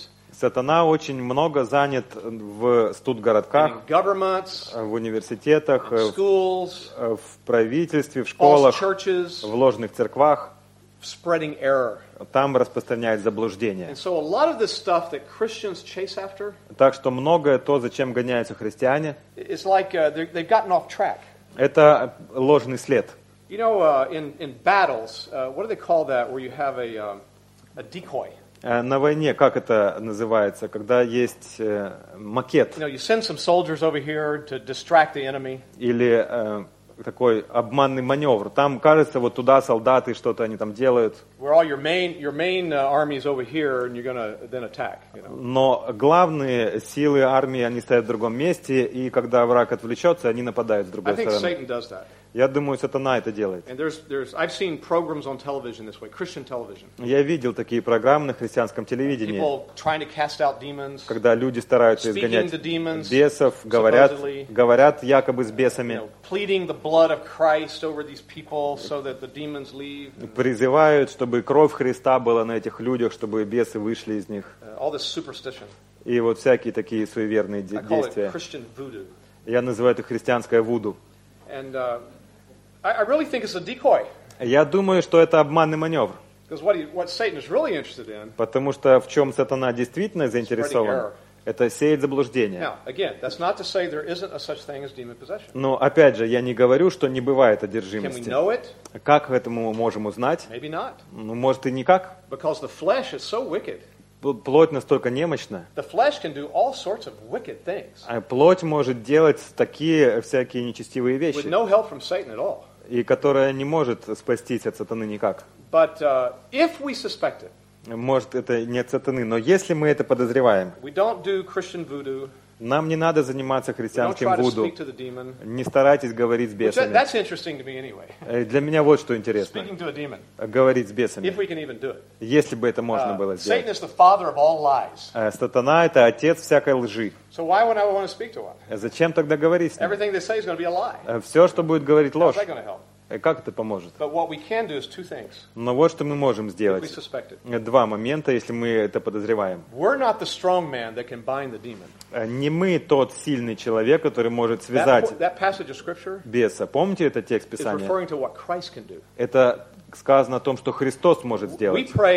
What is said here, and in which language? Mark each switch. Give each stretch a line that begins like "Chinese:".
Russian: Сатана очень много занят в студгородках, в университетах,
English: schools,
Russian: в правительстве, в школах,
English: churches,
Russian: в ложных церквах.
English: Spreading error.
Russian: Там распространяют заблуждение.
English: And so a lot of this stuff that Christians chase after,
Russian: так что многое то, за чем гоняются христиане,
English: it's like they've gotten off track.
Russian: Это ложный след.
English: You know, in battles, what do they call that, where you have a decoy?
Russian: На войне как это называется, когда есть макет?
English: You know, you send some soldiers over here to distract the enemy.
Russian: Или такой обманный маневр. Там кажется, вот туда солдаты что-то они там делают.
English: Where all your main army is over here, and you're gonna then attack. You know?
Russian: Но главные силы армии они стоят в другом месте, и когда враг отвлечется, они нападают с другой стороны.
English: I think Satan does that.
Russian: Я думаю, сатана это делает.
English: And there's, I've seen programs on television this way, Christian television.
Russian: Я видел такие программы на христианском телевидении.
English: People trying to cast out demons.
Russian: Когда люди стараются изгонять
English: demons,
Russian: бесов, говорят якобы с бесами.
English: You know, pleading the blood of Christ over these people so that the demons leave.
Russian: Призывают, чтобы кровь Христа была на этих людях, чтобы бесы вышли из них.
English: All this superstition.
Russian: И вот всякие такие суеверные действия.
English: I call it Christian voodoo.
Russian: Я называю это христианское вуду.
English: And I really think it's a decoy.
Russian: Я думаю, что это обманный маневр.
English: Because what Satan is really interested in.
Russian: Потому что в чем сатана действительно заинтересован? Это сеять заблуждение.
English: Now, again, that's not to say there isn't a such thing as demon possession.
Russian: Но опять же, я не говорю, что не бывает одержимости.
English: Can we know it?
Russian: Как этому мы можем узнать?
English: Maybe not.
Russian: Ну, может и никак.
English: Because the flesh is so wicked.
Russian: Плоть настолько немощна.
English: The flesh can do all sorts of wicked things.
Russian: А плоть может делать такие всякие нечестивые вещи.
English: With no help from Satan at all.
Russian: И которая не может спастись от сатаны никак.
English: But if we suspect it.
Russian: Может, это не от сатаны, но если мы это подозреваем.
English: We don't do Christian voodoo.
Russian: Нам не надо заниматься христианским вуду.
English: To the demon,
Russian: не старайтесь говорить с бесами.
English: That's interesting to me anyway.
Russian: Для меня вот что интересно.
English: Speaking to a demon,
Russian: говорить с бесами.
English: If we can even do it.
Russian: Если бы это можно было сделать.
English: Satan is the father of all lies.
Russian: Сатана – это отец всякой лжи.
English: So why would I want to speak to one?
Russian: Зачем тогда говорить с ним?
English: Everything they say is going to be a lie.
Russian: Все, что будет говорить – ложь.
English: How's that going to help?
Russian: Как это поможет?
English: But what we can do is two things.
Russian: Но вот что мы можем сделать.
English: If we suspect it.
Russian: Два момента, если мы это подозреваем.
English: We're not the strong man that can bind the demon.
Russian: Не мы тот сильный человек, который может связать беса. Помните этот текст Писания? Это сказано о том, что Христос может сделать.